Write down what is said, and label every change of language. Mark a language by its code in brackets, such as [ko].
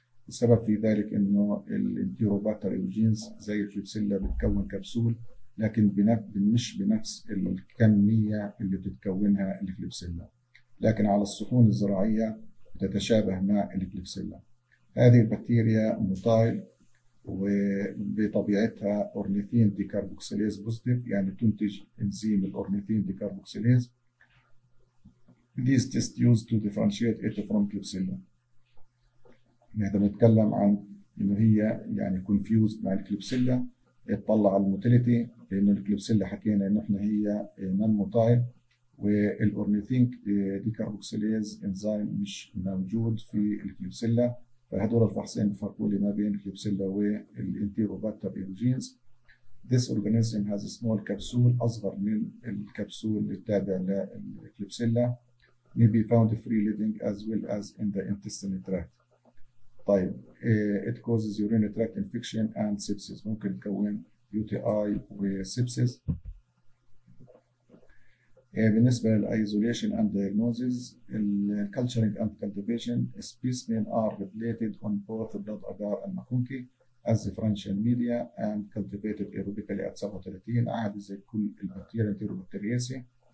[ar] السبب في ذلك انه الانتيروباكتر ايروجينز زي الكليبسيلا بتكون كبسول، لكن مش بنفس الكميه اللي بتتكونها الكليبسيلا، لكن على الصحون الزراعيه بتتشابه مع الكليبسيلا. هذه البكتيريا موتايل وبطبيعتها اورنيثين ديكربوكسيليز بوزيتيف، يعني تنتج انزيم الاورنيثين ديكربوكسيليز. [en] These tests used to differentiate it from Klebsiella. [ar] نحن نتكلم عن إنه هي يعني confused مع الكلبسيلا، اتطلع على الموتيليتي، لأنه الكلبسيلا حكينا إنه إحنا هي نان موتايل، والأورنيثين ديكربوكسيليز إنزيم مش موجود في الكلبسيلا، فهدول الفحصين بفرقوا لي ما بين الكلبسيلا والإنتيروباكتر إيروجينز. [en] This organism has a small capsule، [ar] أصغر من الكبسول التابع للكلبسيلا. [en] May be found free living as well as in the intestinal tract. طيب it causes urinary tract infection and sepsis. [ar] ممكن تكون UTI وسبسيس. [en] بالنسبة للايزوليشن and diagnosis, الكالتشرنج and cultivation, specimen are replated on both blood agar and MacConkey as differential media and cultivated aerobically at 37، [ar] عادي زي كل البكتيريا الانتيروبكترياسي.